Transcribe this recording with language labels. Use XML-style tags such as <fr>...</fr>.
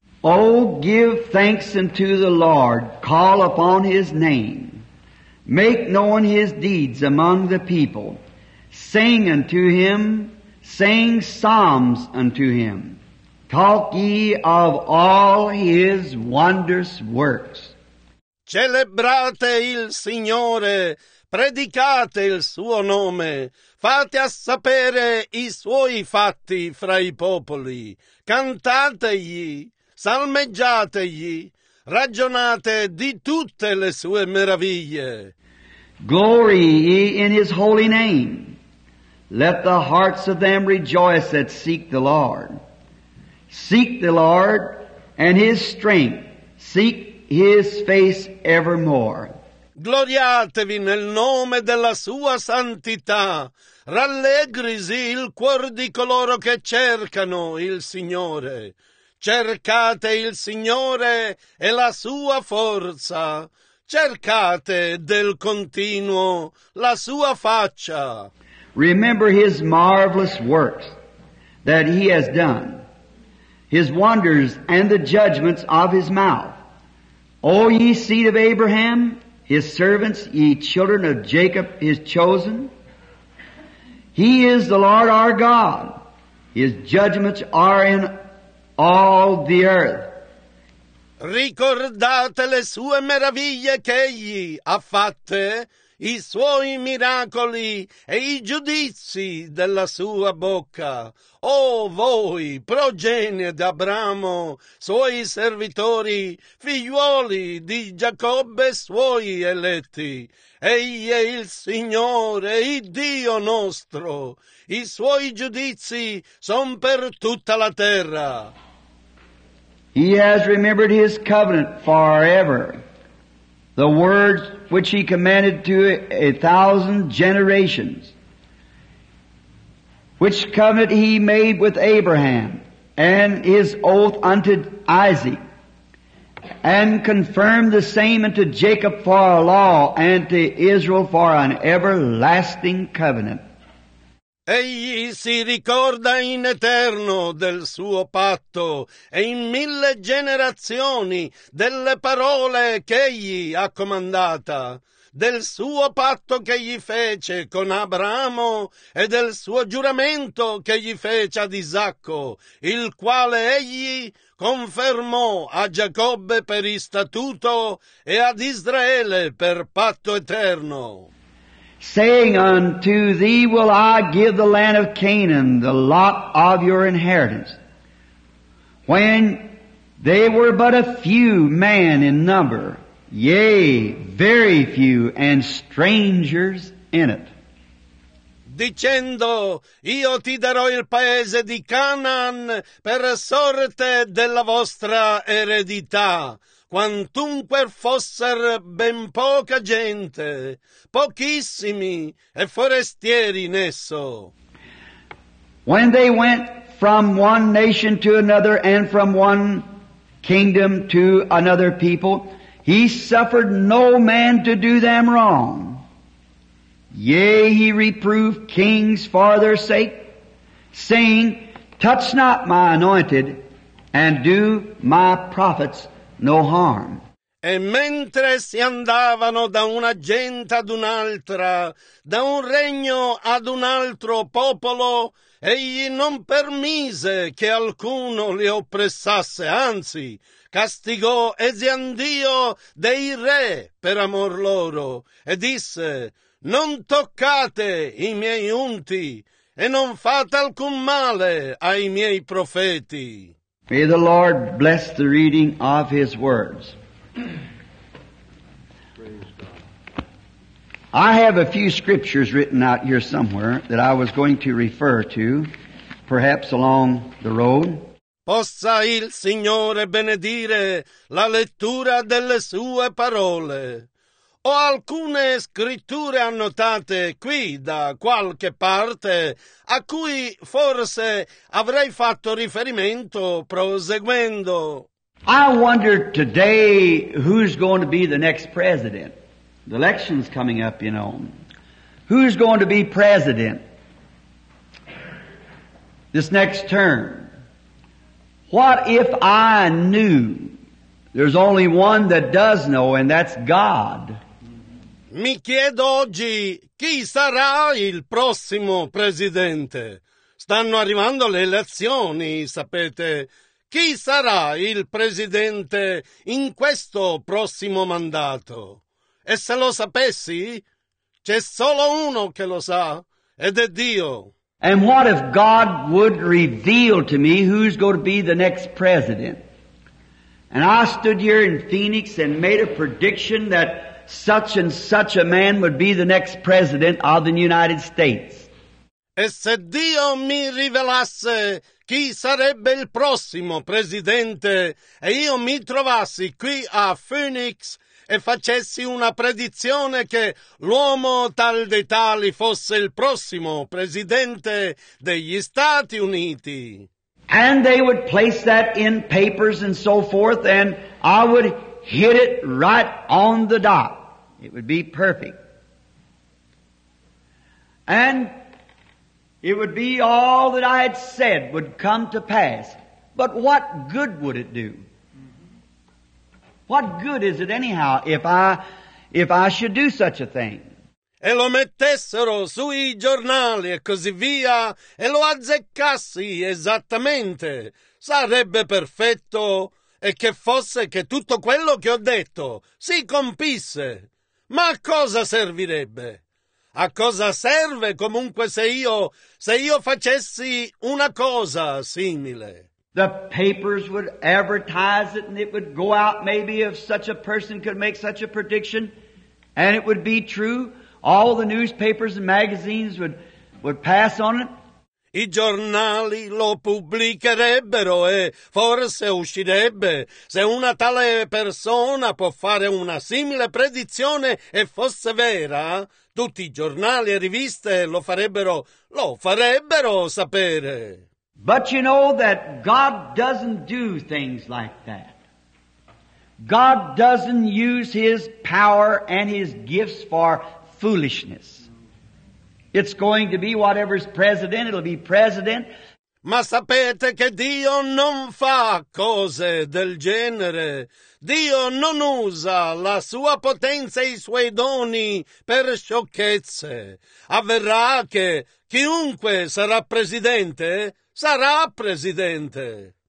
<en>Oh, give thanks unto the Lord, call upon his name, make known his deeds among the people, sing unto him, sing psalms unto him. Talk ye of all his wondrous works.</en> <it>Celebrate il Signore, predicate il suo nome, fate a sapere i suoi fatti fra i popoli, cantategli, salmeggiategli, ragionate di tutte le sue meraviglie.</it> <en>Glory ye in his holy name. Let the hearts of them rejoice that seek the Lord. Seek the Lord and his strength. Seek his face evermore.</en> <it>Gloriatevi nel nome della sua santità. Rallegrisi il cuor di coloro che cercano il Signore. Cercate il Signore e la sua forza. cercate del continuo la sua faccia.</it> <en>Remember his marvelous works that he has done, his wonders and the judgments of his mouth. O ye seed of Abraham, his servants, ye children of Jacob, his chosen. He is the Lord our God. His judgments are in all the earth.</en> <it>Ricordate le sue meraviglie che egli ha fatte, i suoi miracoli e i giudizi della sua bocca. O voi, progenie d'Abramo, suoi servitori, figliuoli di Giacobbe, suoi eletti, egli è il Signore, il Dio nostro. I suoi giudizi son per tutta la terra.</it> <en>He has remembered his covenant forever, the words which he commanded to a thousand generations, which covenant he made with Abraham, and his oath unto Isaac, and confirmed the same unto Jacob for a law, and to Israel for an everlasting covenant.</en> <it>Egli si ricorda in eterno del suo patto e in mille generazioni delle parole che egli ha comandata, del suo patto che gli fece con Abramo e del suo giuramento che gli fece ad Isacco, il quale egli confermò a Giacobbe per istatuto e ad Israele per patto eterno.</it> <en>Saying, unto thee will I give the land of Canaan, the lot of your inheritance. When they were but a few man in number, yea, very few, and strangers in it.</en> <it>Dicendo, io ti darò il paese di Canaan per sorte della vostra eredità. Quantunque fosser ben poca gente, pochissimi e forestieri in esso.</it> <en>When they went from one nation to another and from one kingdom to another people, he suffered no man to do them wrong. Yea, he reproved kings for their sake, saying, touch not my anointed and do my prophets no harm.</en> <it>E mentre si andavano da una gente ad un'altra, da un regno ad un altro popolo, egli non permise che alcuno li oppressasse, anzi, castigò esiandio dei re per amor loro, e disse, non toccate i miei unti, e non fate alcun male ai miei profeti.</it> <en>May the Lord bless the reading of His words. I have a few scriptures written out here somewhere that I was going to refer to, perhaps along the road.</en> <it>Possa il Signore benedire la lettura delle sue parole. Ho alcune scritture annotate qui da qualche parte a cui forse avrei fatto riferimento proseguendo.</it> <en>I wonder today who's going to be the next president. The election's coming up, you know. Who's going to be president this next term? What if I knew? There's only one that does know, and that's God.</en> <it>Mi chiedo oggi chi sarà il prossimo presidente. Stanno arrivando le elezioni, sapete. Chi sarà il presidente in questo prossimo mandato? E se lo sapessi, c'è solo uno che lo sa, ed è Dio.</it> <en>And what if God would reveal to me who's going to be the next president? And I stood here in Phoenix and made a prediction that such and such a man would be the next president of the United States.</en> <it>E se Dio mi rivelasse chi sarebbe il prossimo presidente e io mi trovassi qui a Phoenix e facessi una predizione che l'uomo tal dei tali fosse il prossimo presidente degli Stati Uniti.</it> <en>And they would place that in papers and so forth, and I would hit it right on the dot. It would be perfect. And it would be all that I had said would come to pass. But what good would it do? What good is it anyhow if I should do such a thing?</en> <it>E lo mettessero sui giornali e così via, e lo azzeccassi esattamente, sarebbe perfetto, e che fosse che tutto quello che ho detto si compisse. Ma a cosa servirebbe? A cosa serve comunque se io facessi una cosa simile?</it> <en>The papers would advertise it, and it would go out maybe if such a person could make such a prediction, and it would be true. All the newspapers and magazines would pass on it.</en> <it>I giornali lo pubblicherebbero e forse uscirebbe se una tale persona può fare una simile predizione e fosse vera. Tutti i giornali e riviste lo farebbero sapere.</it> <en>But you know that God doesn't do things like that. God doesn't use His power and His gifts for foolishness. It's going to be whatever's president, it'll be president.</en> <it>Ma sapete che Dio non fa cose del genere. Dio non usa la sua potenza e i suoi doni per sciocchezze. Avverrà che chiunque sarà presidente, sarà presidente.</it>